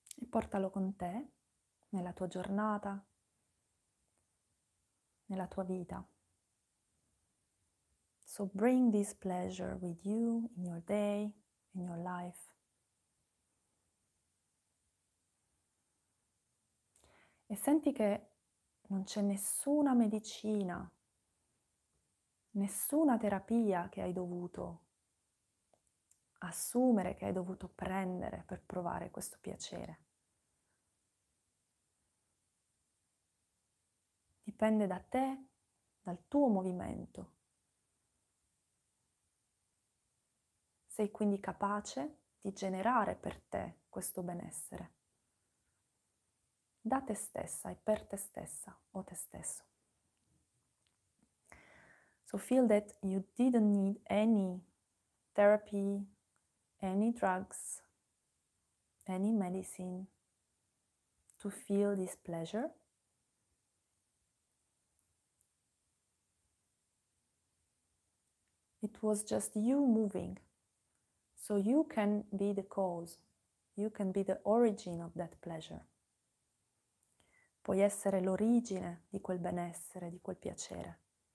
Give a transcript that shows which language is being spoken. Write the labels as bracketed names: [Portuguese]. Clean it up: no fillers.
[Italian] Portalo con te nella tua giornata, nella tua vita. [English] So bring this pleasure with you in your day, in your life. [Italian] E senti che non c'è nessuna medicina, nessuna terapia che hai dovuto assumere, che hai dovuto prendere per provare questo piacere. Dipende da te, dal tuo movimento, Sei quindi capace di generare per te questo benessere, da te stessa e per te stessa o te stesso. [English] So feel that you didn't need any therapy, any drugs, any medicine to feel this pleasure. It was just you moving. So you can be the cause, you can be the origin of that pleasure. [Italian] Puoi essere l'origine di quel benessere, di quel piacere.